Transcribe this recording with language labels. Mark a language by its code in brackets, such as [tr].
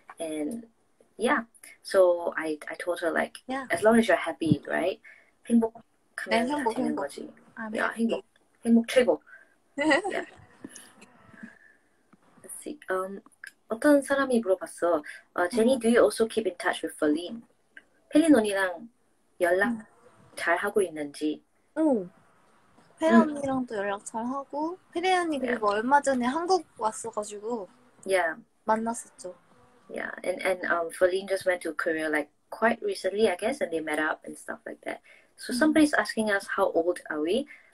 [en] And yeah, so I told her like, yeah. as long as you're happy, right? 행복하면 [ko] 네, 행복, 되는 행복. 거지. 행복 최고. Yeah. Um, 사람이 물어봤어. [en] Jenny, do you also keep in touch with Feline? [ko] 펠린 언니랑 연락 잘 하고 있는지? 펠린 언니랑도 연락 잘 하고, 펠린 언니 그리고 얼마 전에 한국 왔어가지고 만났었죠. [en] Yeah, and Feline just went to Korea like quite recently, I guess, and they met up and stuff like that. So somebody's asking us how old are we?